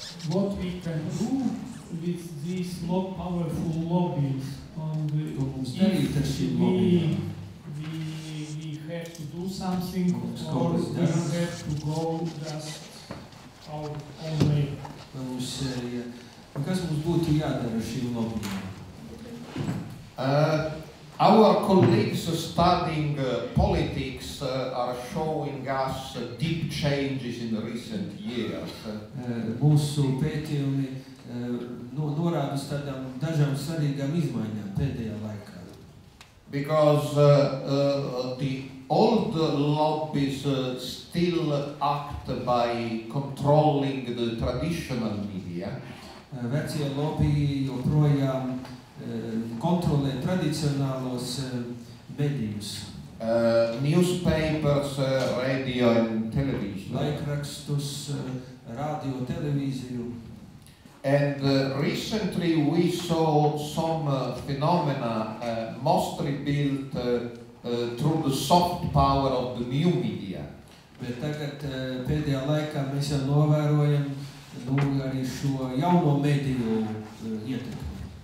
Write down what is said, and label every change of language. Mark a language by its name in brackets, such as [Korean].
[English] What we can do with these more powerful lobbies on the we have to do something or we have to go just our own way. [Latvian] Mums, kas mums būtu jādara šīm lobbyiem? [English] Our colleagues studying politics are showing us deep changes in the recent years. [Latvian] Mūsu pētījumi norāda uz tādām dažām svarīgām izmaiņām pēdējā laikā. [English] Because the old lobbies still act by controlling the traditional media. [Latvian] Vecie lobbyi joprojām kontrolē tradicionālos medijus. [English] Newspapers, radio and television. [Latvian] Laikrakstus, radio, televīziju. [English] And recently we saw some phenomena mostly built through the soft power of the new media. [Latvian] Bet tagad pēdējā laikā mēs jau novērojam nu, arī šo jauno mediju ietekmi.